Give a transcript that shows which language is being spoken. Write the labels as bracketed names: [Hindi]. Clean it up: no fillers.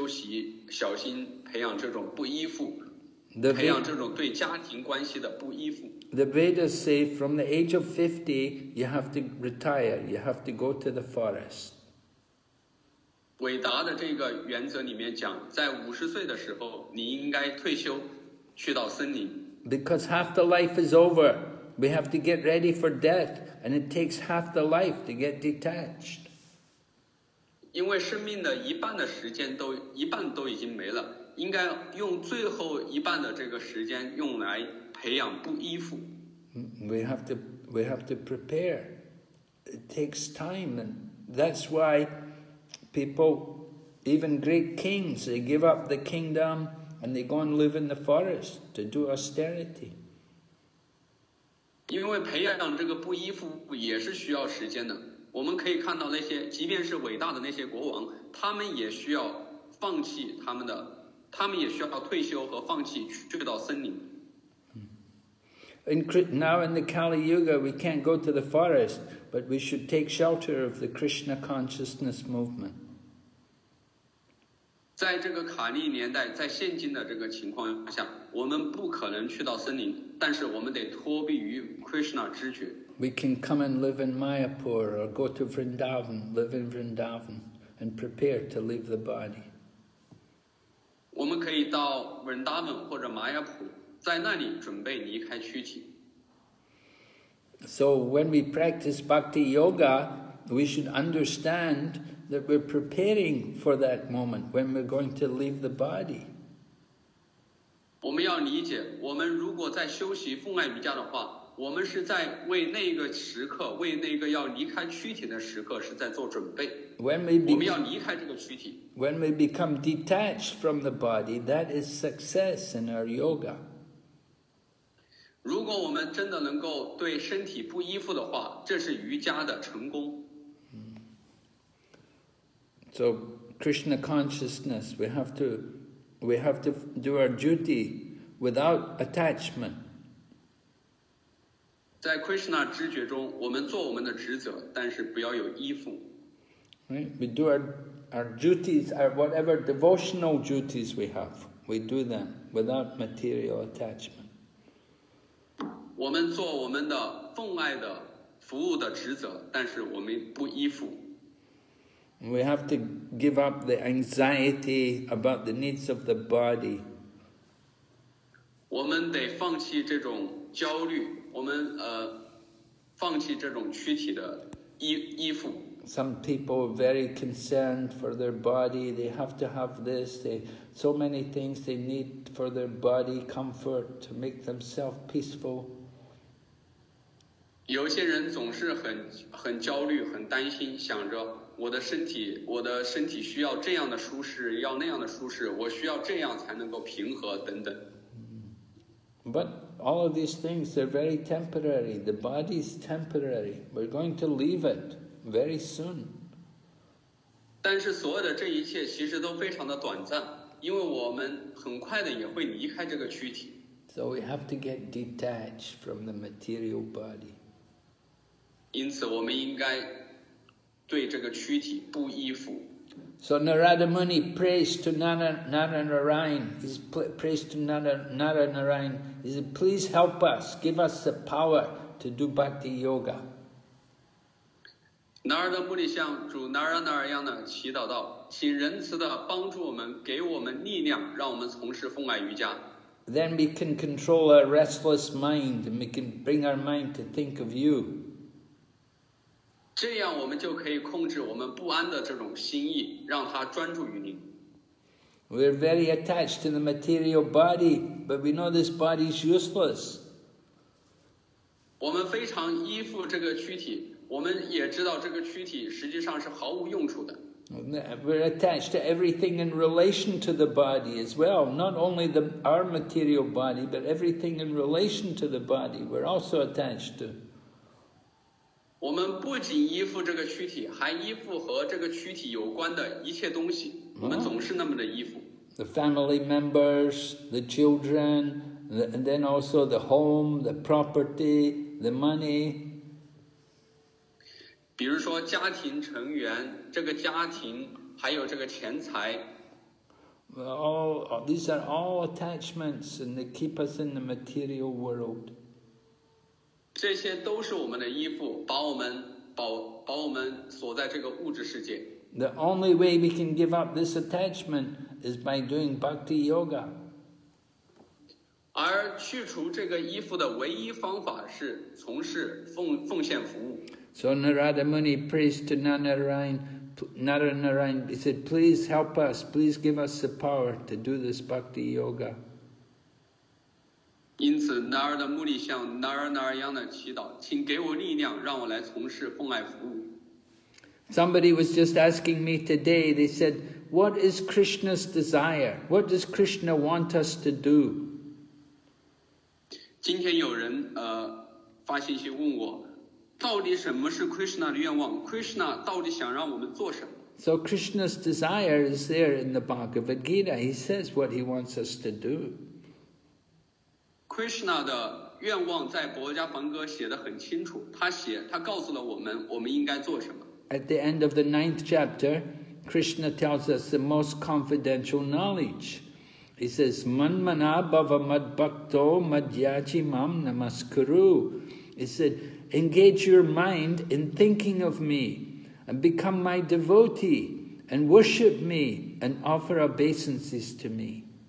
[Chinese] 我们在修习奉爱瑜伽，而且无论是任何瑜伽的时候，我们都应该修习，小心培养这种不依附。 [English] The Vedas say from the age of 50, you have to retire, you have to go to the forest. [Chinese] 伟达的这个原则里面讲，在50岁的时候，你应该退休，去到森林。 [English] Because half the life is over, we have to get ready for death, and it takes half the life to get detached. [Chinese] 因为生命的一半的时间都一半都已经没了，应该用最后一半的这个时间用来培养布衣服。 [English] We have to prepare. It takes time, and that's why people, even great kings, they give up the kingdom and they go and live in the forest to do austerity. [Chinese] 因为培养这个布衣服也是需要时间的。我们可以看到那些，即便是伟大的那些国王，他们也需要放弃他们的，他们也需要退休和放弃去到森林。 [English] Now in the Kali Yuga, we can't go to the forest, but we should take shelter of the Krishna consciousness movement. [Chinese] 在这个卡利年代，在现今的这个情况下，我们不可能去到森林，但是我们得脱避于 Krishna 知觉。 [English] We can come and live in Mayapur or go to Vrindavan, live in Vrindavan, and prepare to leave the body. [Chinese] 我们可以到 Vrindavan 或者 Mayapur。在那里准备离开躯体。 [English] So when we practice bhakti yoga, we should understand that we're preparing for that moment when we're going to leave the body. [Chinese] 我们要理解，我们如果在修习奉爱瑜伽的话，我们是在为那个时刻，为那个要离开躯体的时刻，是在做准备。我们要离开这个躯体。 [English] When we become detached from the body, that is success in our yoga. [Chinese] 如果我们真的能够对身体不依附的话，这是瑜伽的成功。 [English] So, Krishna consciousness, we have to do our duty without attachment. [Chinese] 在 Krishna 知觉中，我们做我们的职责，但是不要有依附。 [English] Right? We do our duties, our whatever devotional duties we have, we do them without material attachment. [Chinese] 我们做我们的奉爱的服务的职责，但是我们不依附。 [English] We have to give up the anxiety about the needs of the body. [Chinese] 我们得放弃这种焦虑，我们放弃这种躯体的依附。 [English] Some people are very concerned for their body. They have to have this. So many things they need for their body comfort to make themselves peaceful. [Chinese] 有些人总是很焦虑，很担心，想着我的身体需要这样的舒适，要那样的舒适，我需要这样才能够平和等等。 [English] But all of these things are very temporary. The body is temporary. We're going to leave it very soon. [Chinese] 但是所有的这一切其实都非常的短暂，因为我们很快的也会离开这个躯体。 [English] So we have to get detached from the material body. [Chinese] 因此我们应该对这个躯体不依附。 [English] So Narada Muni prays to Nara Narayan. He prays to Nara Narayan. He says, please help us, give us the power to do bhakti yoga. [Chinese] Narada Muni 向主 Nara Narayan 祈祷道，请仁慈的帮助我们，给我们力量，让我们从事奉爱瑜伽。 [English] Then we can control our restless mind, and we can bring our mind to think of you. [Chinese] 这样我们就可以控制我们不安的这种心意，让它专注于您。 [English] We're very attached to the material body, but we know this body is useless. [Chinese] 我们非常依附这个躯体，我们也知道这个躯体实际上是毫无用处的。 [English] We're attached to everything in relation to the body as well, not only our material body, but everything in relation to the body we're also attached to. [Chinese] 我们不仅依附这个躯体，还依附和这个躯体有关的一切东西。我们总是那么的依附。 [English] The family members, the children, and then also the home, the property, the money. [Chinese] 比如说家庭成员，这个家庭，还有这个钱财。 [English] These are all attachments, and they keep us in the material world. [Chinese] 这些都是我们的依附，把我们锁在这个物质世界。 [English] The only way we can give up this attachment is by doing bhakti yoga. [Chinese] 而去除这个依附的唯一方法是从事奉献服务。 [English] So Narada Muni prays to Nara Narayan, Narayan, he said, please help us, please give us the power to do this bhakti yoga. [Chinese] 因此 Narada Muni 向 Narayan 的祈祷，请给我力量，让我来从事奉爱服务。 [English] Somebody was just asking me today, they said, what is Krishna's desire? What does Krishna want us to do? [Chinese] 今天有人发信息问我，到底什么是 Krishna 的愿望？ Krishna 到底想让我们做什么？ [English] So Krishna's desire is there in the Bhagavad Gita. He says what he wants us to do. [Chinese] Krishna 的愿望在《博伽梵歌》写得很清楚，他写，他告诉了我们，我们应该做什么。 [English] At the end of the ninth chapter, Krishna tells us the most confidential knowledge. He says, [Sanskrit] Manmana bhava mad bhakto madhyachi mam namaskuru. [English] He said, engage your mind in thinking of me and become my devotee and worship me and offer obeisances to me.